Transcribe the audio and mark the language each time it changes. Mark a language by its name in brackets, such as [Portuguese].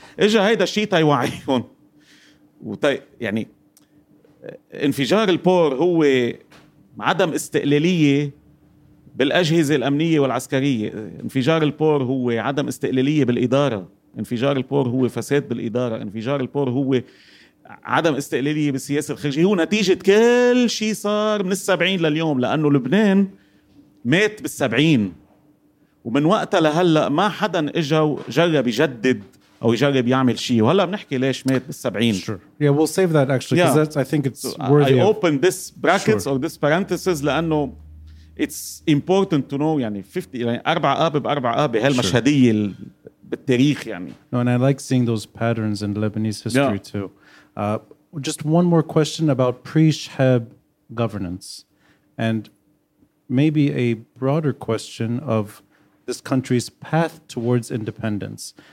[Arabic] اجى هيدا الشيء تا يوعيهم. يعني انفجار البور هو عدم استقلاليه بالاجهزه الامنيه والعسكريه, انفجار البور هو عدم استقلاليه بالاداره, انفجار البور هو فساد بالاداره, انفجار البور هو عدم استقلالية بالسياسة الخارجية, هو نتيجة كل شيء صار من السبعين لليوم. لأنه لبنان مات بالسبعين, ومن وقتها لهلأ ما حدا إجا وجرب يجدد أو يجرب يعمل شيء. وهلأ بنحكي ليش مات بالسبعين. [English] Sure. Yeah, we'll save that actually, because yeah. I think it's so worthy. I open this brackets sure. or this parenthesis لأنه it's important to know. [Arabic] يعني 50 يعني أربعة آب بأربعة آب بهالمشهدية sure. بالتاريخ يعني. [English] No, and I like seeing those patterns in Lebanese history yeah. too. Just one more question about pre-Shehab governance and maybe a broader question of this country's path towards independence.